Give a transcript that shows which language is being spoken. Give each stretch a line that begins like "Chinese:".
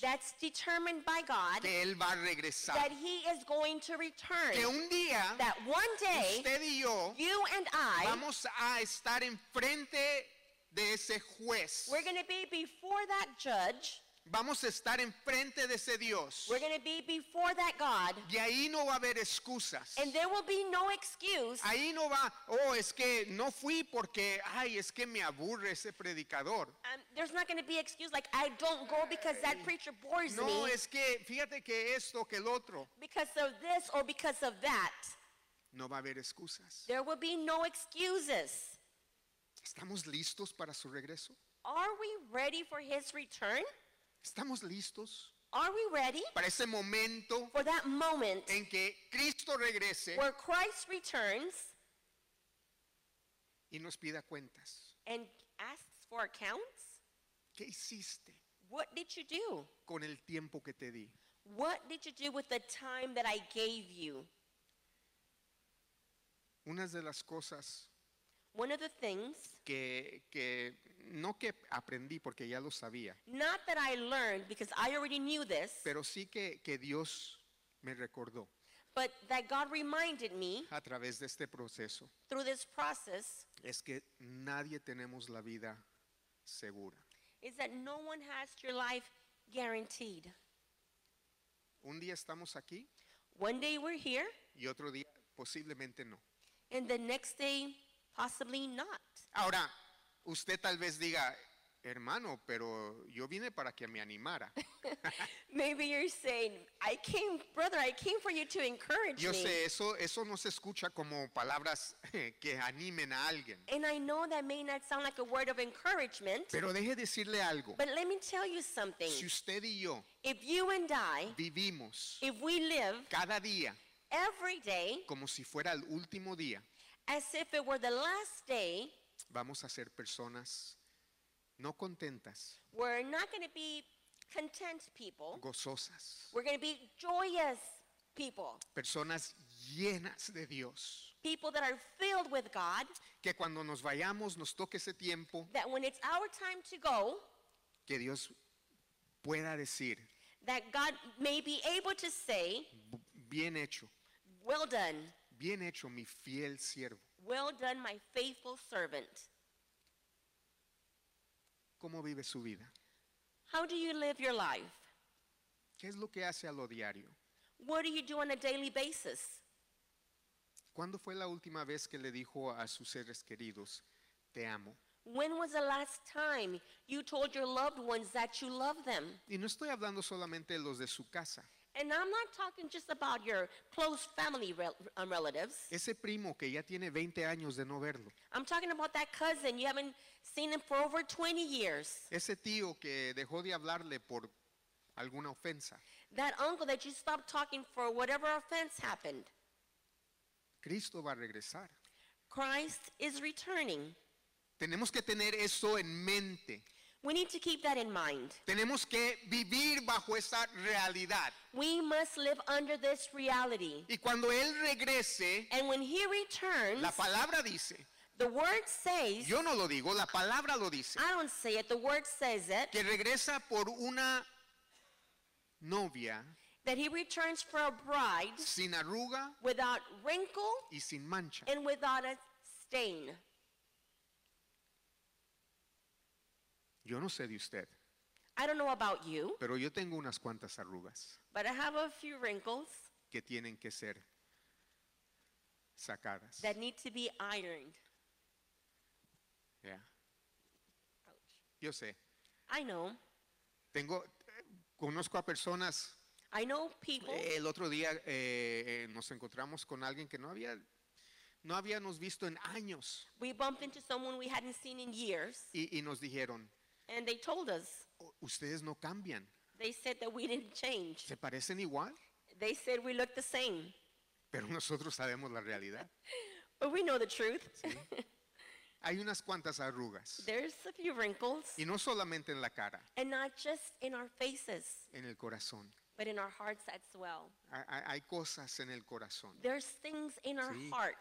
English: That's determined by God.
Spanish: Que él va a regresar.
English: That he is going to return.
Spanish: Que un día,
English: that one day,
Spanish: usted y yo,
English: you and I,
Spanish: vamos a estar enfrente de ese juez.
English: We're going to be before that judge.
Spanish: Vamos a estar enfrente de ese Dios.
English: We're going to be before that God.
Spanish: Y ahí no va a haber excusas.
English: And there will be no excuse.
Spanish: Ahí no va, oh, es que no fui porque, ay, es que me aburre ese predicador.
English: There's not going to be excuse like, I don't go because that preacher bores
Spanish: no,
English: me.
Spanish: No, es que, fíjate que esto, que el otro.
English: Because of this or because of that.
Spanish: No va a haber excusas.
English: There will be no excuses.
Spanish: ¿Estamos listos para su regreso?
English: Are we ready for his return?
Spanish: ¿Estamos listos?
English: Are we ready?
Spanish: Para ese momento,
English: for that moment,
Spanish: en que Cristo regrese,
English: where Christ returns,
Spanish: y nos pida cuentas,
English: and asks for accounts.
Spanish: ¿Qué hiciste?
English: What did you do?
Spanish: Con el tiempo que te di.
English: What did you do with the time that I gave you?
Spanish: Unas de las cosas,
English: one of the things,
Spanish: que no que aprendí porque ya lo sabía.
English: Not that I learned because I already knew this.
Spanish: Pero sí que Dios me recordó.
English: But that God reminded me.
Spanish: A través de este proceso.
English: Through this process.
Spanish: Es que nadie tenemos la vida segura.
English: Is that no one has your life guaranteed.
Spanish: Un día estamos aquí.
English: One day we're here.
Spanish: Y otro día posiblemente no.
English: And the next day possibly not.
Spanish: Ahora, usted tal vez diga, hermano, pero yo vine para que me animara.
English: Maybe you're saying, I came, brother, I came for you to encourage
Spanish: yo
English: me.
Spanish: Yo sé, eso no se escucha como palabras que animen a alguien.
English: And I know that may not sound like a word of encouragement.
Spanish: Pero deje decirle algo.
English: But let me tell you something.
Spanish: Si usted y yo,
English: if you and I,
Spanish: vivimos,
English: if we live,
Spanish: cada día,
English: every day,
Spanish: como si fuera el último día,
English: as if it were the last day,
Spanish: vamos a ser personas no contentas.
English: We're not going to be content people.
Spanish: Gozosas.
English: We're going to be joyous people.
Spanish: Personas llenas de Dios.
English: People that are filled with God.
Spanish: Que cuando nos vayamos nos toque ese tiempo.
English: That when it's our time to go,
Spanish: que Dios pueda decir,
English: that God may be able to say,
Spanish: bien hecho.
English: Well done.
Spanish: Bien hecho, mi fiel siervo.
English: Well done, my faithful servant.
Spanish: ¿Cómo vive su vida?
English: How do you live your life?
Spanish: ¿Qué es lo que hace a lo diario?
English: What do you do on a daily basis?
Spanish: ¿Cuándo fue la última vez que le dijo a sus seres queridos, te amo?
English: When was the last time you told your loved ones that you love them?
Spanish: Y no estoy hablando solamente de los de su casa.
English: And I'm not talking just about your close family relatives.
Spanish: Ese primo que ya tiene 20 años de no verlo.
English: I'm talking about that cousin you haven't seen him for over 20 years.
Spanish: Ese tío que dejó de hablarle por alguna ofensa.
English: That uncle that you stopped talking for whatever offense happened.
Spanish: Cristo va a regresar.
English: Christ is returning.
Spanish: Tenemos que tener eso en mente.
English: We need to keep that in mind.
Spanish: Tenemos que vivir bajo esa realidad.
English: We must live under this reality.
Spanish: Y cuando él regrese,
English: and when he returns,
Spanish: la palabra dice,
English: the word says,
Spanish: yo no lo digo, la palabra lo dice,
English: I don't say it, the word says it,
Spanish: que regresa por una novia,
English: that he returns for a bride,
Spanish: sin arruga,
English: without wrinkle,
Spanish: y sin mancha,
English: and without a stain.
Spanish: Yo no sé de usted.
English: I don't know about you.
Spanish: Pero yo tengo unas cuantas arrugas.
English: But I have a few wrinkles.
Spanish: Que tienen que ser sacadas.
English: That need to be ironed.
Spanish: Yeah. Yo sé.
English: I know.
Spanish: Conozco a personas.
English: I know people.
Spanish: El otro día nos encontramos con alguien que no habíamos visto en años.
English: We bumped into someone we hadn't seen in years.
Spanish: Y nos dijeron.
English: And they told us.
Spanish: Ustedes no cambian.
English: They said that we didn't change.
Spanish: ¿Se parecen igual?
English: They said we look the same.
Spanish: Pero nosotros sabemos la realidad.
English: But we know the truth.
Spanish: Sí. Hay unas cuantas arrugas.
English: There's a few wrinkles.
Spanish: Y no solamente en la cara.
English: And not just in our faces.
Spanish: En el corazón.
English: But in our hearts as well.
Spanish: Hay cosas en el corazón.
English: There's things in our hearts.